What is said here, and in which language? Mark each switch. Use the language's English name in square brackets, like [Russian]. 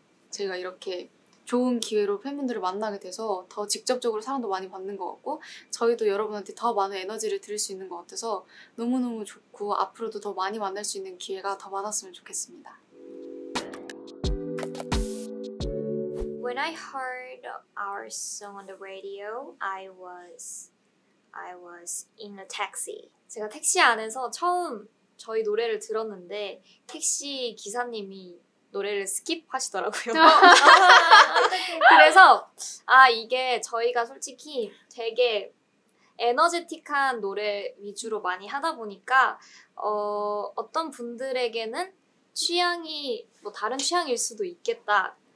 [Korean] 제가 이렇게 좋은 기회로 팬분들을 만나게 돼서 더 직접적으로 사랑도 많이 받는 것 같고 저희도 여러분한테 더 많은 에너지를 드릴 수 있는 것 같아서 너무너무 좋고 앞으로도 더 많이 만날 수 있는 기회가 더 많았으면 좋겠습니다. [English] When I heard our song on the radio, I was in a taxi. [Korean] 제가 택시 안에서 처음 저희 노래를 들었는데 택시 기사님이 노래를 스킵하시더라고요. 그래서 아 이게 저희가 솔직히 되게 에너지틱한 노래 위주로 많이 하다 보니까 어떤 분들에게는 취향이 뭐 다른 취향일 수도 있겠다.